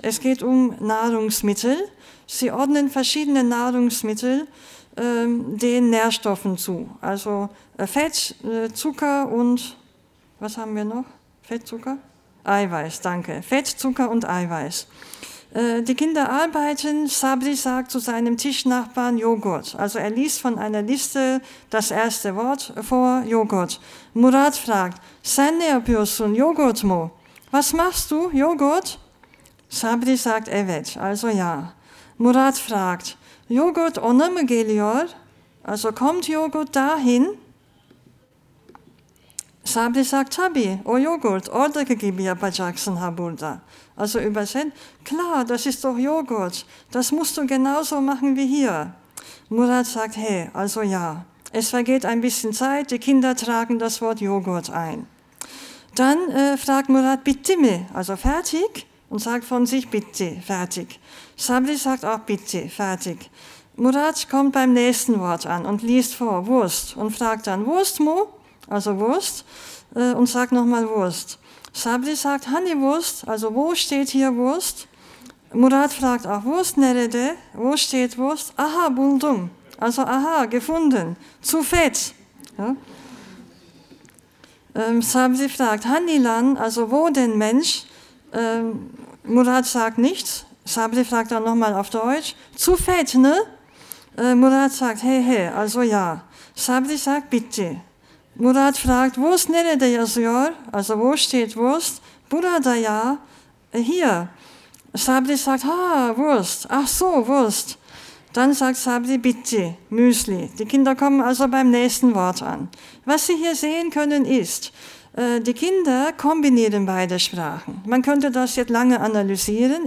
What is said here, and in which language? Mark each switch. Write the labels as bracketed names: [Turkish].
[German] Es geht um Nahrungsmittel. Sie ordnen verschiedene Nahrungsmittel den Nährstoffen zu, also Fett, Zucker und was haben wir noch? Fett, Zucker? Eiweiß, danke. Fett, Zucker und Eiweiß. Die Kinder arbeiten, Sabri sagt zu seinem Tischnachbarn Joghurt. Also er liest von einer Liste das erste Wort vor, Joghurt. Murat fragt, [Turkish] sen ne yapıyorsun, Joghurt mu? [German] Was machst du, Joghurt? Sabri sagt [Turkish] evet, [German] also ja. Murat fragt, [Turkish] Joghurt ona mı geliyor? [German] Also kommt Joghurt dahin? Sabri sagt, [Turkish] tabi, o Joghurt, oradaki gibi yapacaksın ha burada. [German] Also übersetzt, klar, das ist doch Joghurt, das musst du genauso machen wie hier. Murat sagt, hey, also ja. Es vergeht ein bisschen Zeit, die Kinder tragen das Wort Joghurt ein. Dann fragt Murat, [Turkish] bitte mi, [German] also fertig? Und sagt von sich, bitte, fertig. Sabri sagt auch, bitte, fertig. Murat kommt beim nächsten Wort an und liest vor, Wurst, und fragt dann, [Turkish] Wurst mu? [German] Also Wurst, und sagt nochmal Wurst. Sabri sagt, [Turkish] hani Wurst, [German] also wo steht hier Wurst? Murat fragt auch, [Turkish] Wurst nerede, [German] wo steht Wurst? [Turkish] Aha, buldum, [German] also aha, gefunden, zu fett. Ja. Sabri fragt, [Turkish] hani lan, [German] also wo denn Mensch? Murat sagt nichts, Sabri fragt dann nochmal auf Deutsch, zu fett, ne? Murat sagt, hey, hey, also ja. Sabri sagt, bitte. Murat fragt, [Turkish] Wurst nerede yazıyor? [German] Also wo steht Wurst? [Turkish] Burada ya, [German] hier. Sabri sagt, ha, Wurst, ach so, Wurst. Dann sagt Sabri, bitte, Müsli. Die Kinder kommen also beim nächsten Wort an. Was Sie hier sehen können ist, Die Kinder kombinieren beide Sprachen. Man könnte das jetzt lange analysieren.